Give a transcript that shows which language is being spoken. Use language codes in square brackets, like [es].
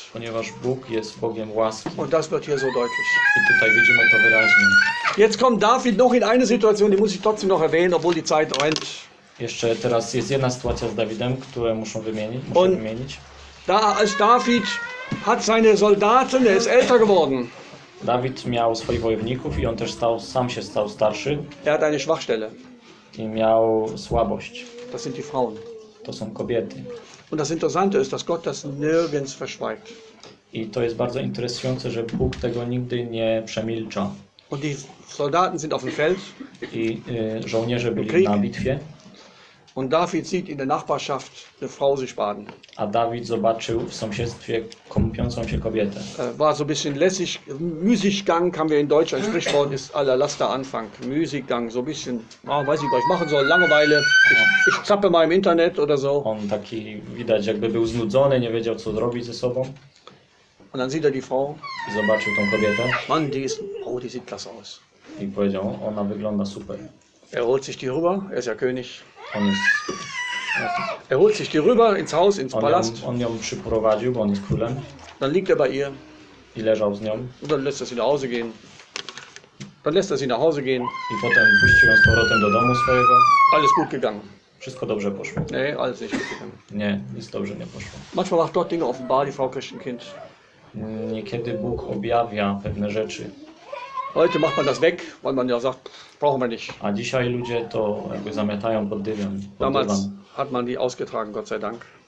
[pl] Ponieważ Bóg jest Bogiem łaski. [de] Und das wird hier so deutlich. [pl] I tutaj widzimy to wyraźnie. [de] Jetzt kommt David noch in eine Situation, die muss ich trotzdem noch erwähnen, obwohl die Zeit rennt. [pl] Jeszcze teraz jest jedna sytuacja z Dawidem, którą muszę wymienić. [de] Da ist David, hat seine Soldaten, er ist älter geworden. [pl] David miał swoich wojowników i on też sam się stał starszy. [de] Er hat eine Schwachstelle. [pl] I miał słabość. [de] Das sind die Frauen. [pl] To są kobiety. [de] Und das Interessante ist, dass Gott das nirgends verschweigt. [pl] I to jest bardzo interesujące, że Bóg tego nigdy nie przemilcza. [de] Und die Soldaten sind auf dem Feld. [pl] I żołnierze byli na bitwie. [de] Und David sieht in der Nachbarschaft eine Frau sich baden. [pl] A David zobaczył w sąsiedztwie kąpiącą się kobietę. [de] War so ein bisschen lässig, Müßiggang, haben wir in Deutsch ein Sprichwort, ist aller Laster Anfang. Müßiggang, so ein bisschen, oh, weiß ich, was ich machen soll, Langeweile. Ich zappe mal im Internet oder so. [pl] On taki widać, jakby był znudzony, nie wiedział, co zrobić ze sobą. [de] Und dann sieht er die Frau. [pl] I zobaczył tą kobietę. [de] Mann, die ist, oh, die sieht klasse aus. [pl] I powiedział, ona wygląda super. [de] Er holt sich die rüber, er ist ja König. [pl] On jest, [de] er holt sich die rüber ins Haus, ins Palast. [pl] On ją przyprowadził, bo on jest królem. [de] Dann liegt er bei ihr. [pl] I leżał z nią. [de] Und dann lässt er sie nach Hause gehen. Dann lässt er sie nach Hause gehen. [pl] I potem puścił ją z powrotem do domu swojego. [de] Alles gut gegangen. [pl] Wszystko dobrze poszło. [de] Nee, alles nicht gut gegangen. [pl] Nie, nic dobrze nie poszło. [de] Manchmal macht Gott Dinge offenbar, die Frau Christenkind. [pl] Niekiedy Bóg objawia pewne rzeczy. [de] Heute macht man das weg, weil man ja sagt, brauchen wir nicht. [pl] A dzisiaj ludzie to jakby zamiatają pod dywan. [de] Damals hat man die ausgetragen, Gott sei Dank.